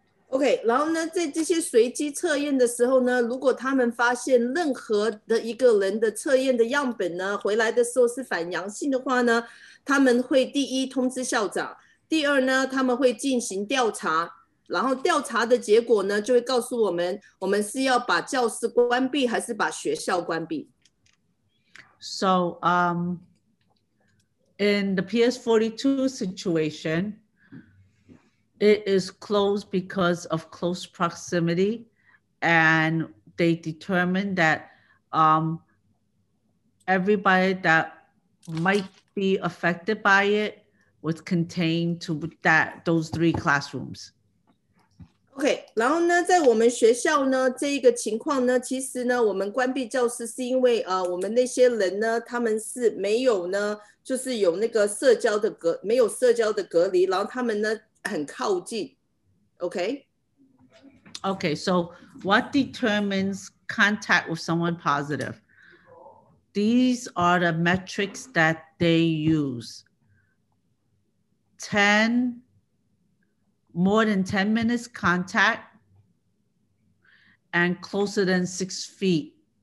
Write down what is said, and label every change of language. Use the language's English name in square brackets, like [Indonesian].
[Chinese] Okay, 然后呢在这些随机测验的时候呢，如果他们发现任何的一个人的测验的样本呢回来的时候是反阳性的话呢，他们会第一通知校长，第二呢，他们会进行调查，然后调查的结果呢，就会告诉我们，我们是要把教室关闭还是把学校关闭。 [English] So, in the PS42 situation, it is closed because of close proximity, and they determined that everybody that might be affected by it. Was contained to that those three classrooms. [Chinese] Okay, 然后呢，在我们学校呢，这一个情况呢，其实呢，我们关闭教室是因为我们那些人呢，他们是没有呢，就是有那个社交的隔，没有社交的隔离，然后他们呢很靠近。 [English] Okay. Okay. So, what determines contact with someone positive? These are the metrics that they use. More than 10 minutes contact and closer than 6 feet.